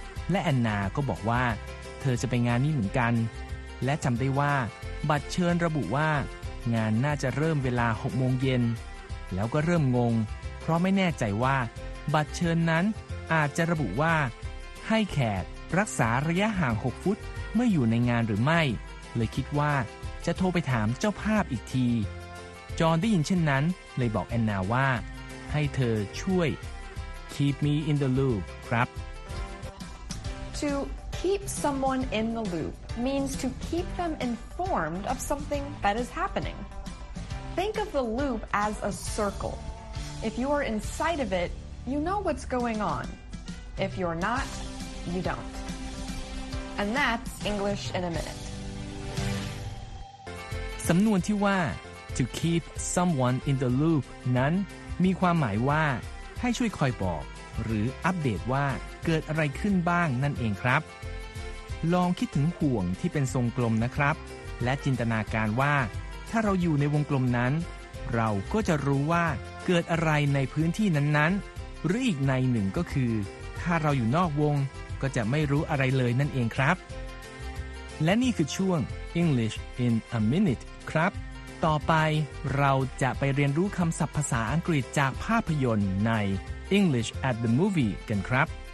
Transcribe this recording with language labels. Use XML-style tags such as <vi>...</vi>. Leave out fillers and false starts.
<th>และแอนนาก็บอกว่าเธอจะไปงานนี้เหมือนกันและจำได้ว่าบัตรเชิญระบุว่างานน่าจะเริ่มเวลา6โมงเย็นแล้วก็เริ่มงงเพราะไม่แน่ใจว่าบัตรเชิญนั้นอาจจะระบุว่าให้แขกรักษาระยะห่าง6ฟุตเมื่ออยู่ในงานหรือไม่เลยคิดว่าจะโทรไปถามเจ้าภาพอีกทีจอห์นได้ยินเช่นนั้นเลยบอกแอนนาว่าให้เธอช่วย</th> <en>Keep me in the loop</en> <th>ครับ</th> <en>To keep someone in the loop means to keep them informed of something that is happening. Think of the loop as a circle. If you are inside of it, you know what's going on. If you're not, you don't. And that's English in a minute.</en> <th>สำนวนที่ว่า to keep someone in the loop นั้นมีความหมายว่าให้ช่วยคอยบอกหรืออัปเดตว่าเกิดอะไรขึ้นบ้างนั่นเองครับ ลองคิดถึงห่วงที่เป็นทรงกลมนะครับและจินตนาการว่าถ้าเราอยู่ในวงกลมนั้นเราก็จะรู้ว่าเกิดอะไรในพื้นที่นั้นๆหรืออีกในหนึ่งก็คือถ้าเราอยู่นอกวงก็จะไม่รู้อะไรเลยนั่นเองครับและนี่คือช่วง English in a minute ครับต่อไปเราจะไปเรียนรู้คำศัพท์ภาษาอังกฤษจากภาพยนตร์ใน English at the Movie กันครับ</th>